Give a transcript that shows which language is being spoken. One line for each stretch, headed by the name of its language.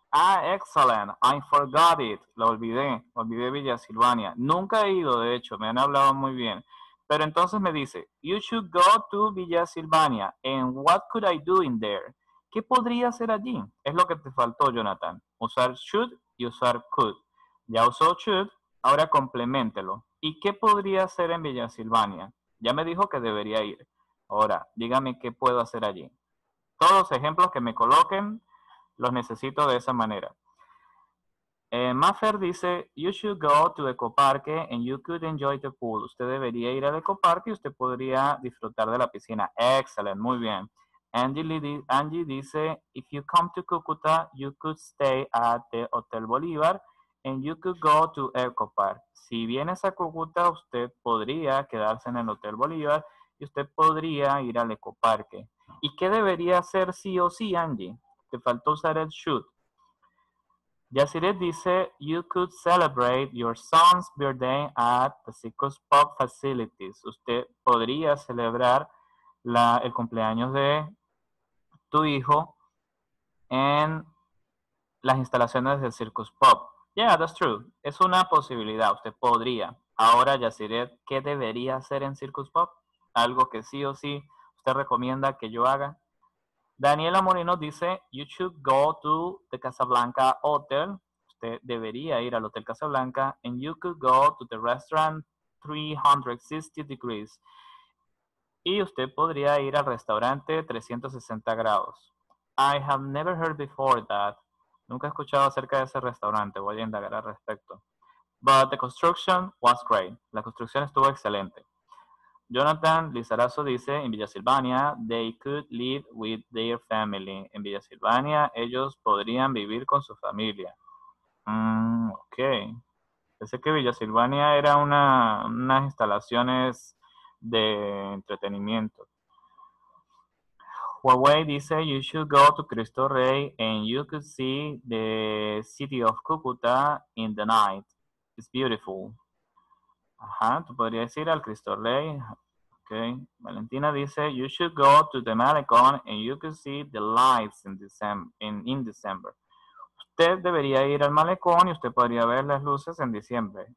English: Ah, excellent, I forgot it.
Spanish: Lo olvidé, Villa Silvania. Nunca he ido, de hecho, me han hablado muy bien. Pero entonces me dice,
English: you should go to Villa Silvania. And what could I do in there?
Spanish: ¿Qué podría hacer allí? Es lo que te faltó, Jonathan. Usar should y usar could. Ya usó should, ahora complementelo. ¿Y qué podría hacer en Villa Silvania? Ya me dijo que debería ir. Ahora, dígame qué puedo hacer allí. Todos los ejemplos que me coloquen, los necesito de esa manera.
English: Maffer dice, you should go to Ecoparque and you could enjoy the pool.
Spanish: Usted debería ir al Ecoparque y usted podría disfrutar de la piscina. Excelente, muy bien.
English: Angie dice, if you come to Cúcuta, you could stay at the Hotel Bolívar and you could go to Eco Park.
Spanish: Si vienes a Cúcuta, usted podría quedarse en el Hotel Bolívar y usted podría ir al Eco Parque. ¿Y qué debería hacer sí o sí, Angie? Te faltó usar el should.
English: Yaciret dice, you could celebrate your son's birthday at the Circus Pub facilities.
Spanish: Usted podría celebrar el cumpleaños de tu hijo en las instalaciones del Circus Pop.
English: Yeah, that's true.
Spanish: Es una posibilidad. Usted podría. Ahora, Yaciret, ¿qué debería hacer en Circus Pop? Algo que sí o sí usted recomienda que yo haga. Daniela Moreno dice,
English: you should go to the Casablanca Hotel.
Spanish: Usted debería ir al Hotel Casablanca.
English: And you could go to the restaurant 360 degrees.
Spanish: Y usted podría ir al restaurante 360 grados.
English: I have never heard before that.
Spanish: Nunca he escuchado acerca de ese restaurante. Voy a indagar al respecto.
English: But the construction was great.
Spanish: La construcción estuvo excelente.
English: Jonathan Lizarazo dice, in Villa Silvania, they could live with their family.
Spanish: En Villa Silvania, ellos podrían vivir con su familia. Ok. Pensé que Villa Silvania era unas instalaciones de entretenimiento.
English: Huawei dice, you should go to Cristo Rey and you could see the city of Cúcuta in the night. It's beautiful.
Spanish: Ajá, tú podrías ir al Cristo Rey.
English: Ok. Valentina dice, you should go to the Malecón and you could see the lights in December.
Spanish: Usted debería ir al Malecón y usted podría ver las luces en diciembre.